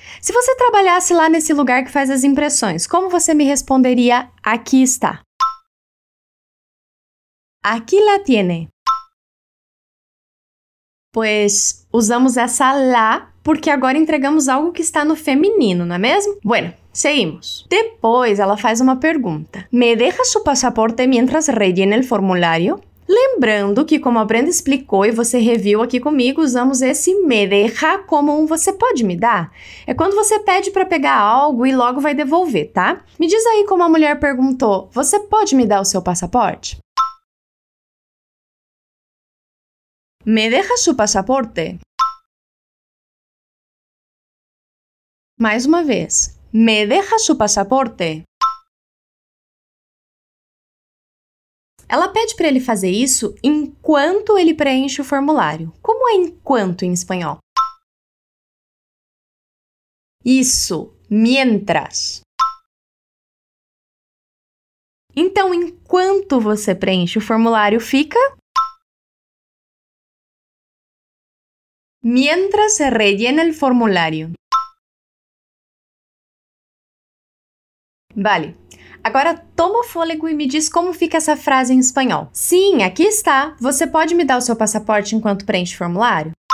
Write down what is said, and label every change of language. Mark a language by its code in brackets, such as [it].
[pt] Se você trabalhasse lá nesse lugar que faz as impressões, como você me responderia aqui está? [es] Aquí la tiene. Pues, [pt] usamos essa la porque agora entregamos algo que está no feminino, não é mesmo? [es] Bueno, seguimos. [pt] Depois, ela faz uma pergunta. [es] ¿Me deja su pasaporte mientras rellena el formulario? [pt] Lembrando que, como a Brenda explicou e você reviu aqui comigo, usamos esse me deja como um você pode me dar. É quando você pede para pegar algo e logo vai devolver, tá? Me diz aí como a mulher perguntou, você pode me dar o seu passaporte? [es] Me deja su pasaporte? Mais uma vez, me deja su pasaporte? [pt] Ela pede para ele fazer isso enquanto ele preenche o formulário. Como é enquanto em espanhol? Isso, mientras. Então, enquanto você preenche o formulário, fica... [es] Mientras se rellena el formulario. Vale. [pt] Agora, toma fôlego e me diz como fica essa frase em espanhol. Sim, aqui está. Você pode me dar o seu passaporte enquanto preenche o formulário?